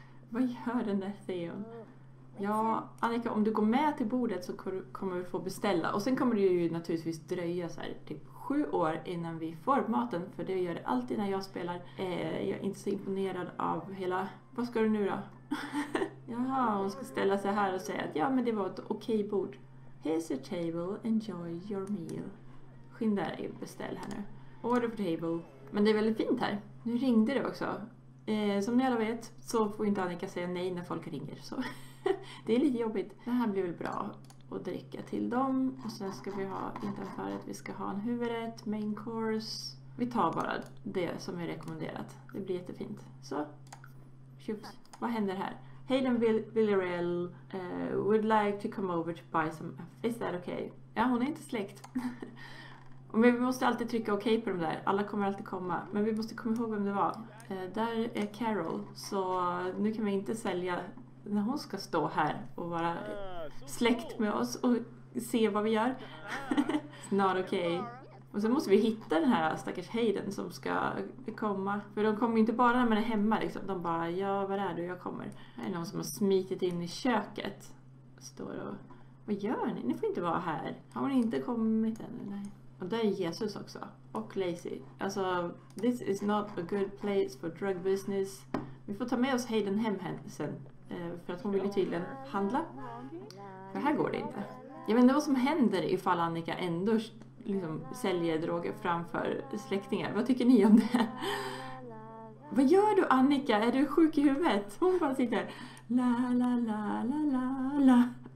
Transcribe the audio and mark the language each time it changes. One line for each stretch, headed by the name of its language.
Swedish: Vad gör den där Theon? Ja, Annika, om du går med till bordet så kommer vi få beställa. Och sen kommer det ju naturligtvis dröja så här typ 7 år innan vi får maten. För det gör det alltid när jag spelar. Jag är inte så imponerad av hela... Vad ska du nu då? Jaha, hon ska ställa sig här och säga att ja, men det var ett okej bord.
English: Here's your table, enjoy your meal.
Swedish: Skynda dig, beställ här nu.
English: Order for table.
Swedish: Men det är väldigt fint här. Nu ringde det också. Som ni alla vet så får inte Annika säga nej när folk ringer. Så. Det är lite jobbigt. Det här blir väl bra. och dricka till dem. Och sen ska vi ha, inte för att vi ska ha en huvudrätt,
English: main course.
Swedish: Vi tar bara det som är rekommenderat. Det blir jättefint. Så, tjups. Vad händer här?
English: Hayden Villarreal would like to come over to buy some... Is that okay?
Swedish: Ja, hon är inte släkt. Men vi måste alltid trycka okej på dem där. Alla kommer alltid komma. Men vi måste komma ihåg vem det var. Där är Carol. Så nu kan vi inte sälja när hon ska stå här och vara släkt med oss och se vad vi gör.
English: Not okay.
Swedish: Och sen måste vi hitta den här stackars Hayden som ska komma. För de kommer inte bara när man är hemma. Liksom. De bara, ja, var är du? Jag kommer. Det är någon som har smitit in i köket. Står och, vad gör ni? Ni får inte vara här. Har hon inte kommit ännu? Nej. Och där är Jesus också. Och Lacey. Alltså,
English: this is not a good place for drug business.
Swedish: Vi får ta med oss Hayden hem sen. För att hon vill ju tydligen handla. För här går det inte. Jag vet inte vad som händer ifall Annika ändå liksom säljer droger framför släktingar. Vad tycker ni om det? Vad gör du Annika? Är du sjuk i huvudet? Hon bara sitter la la la la la la.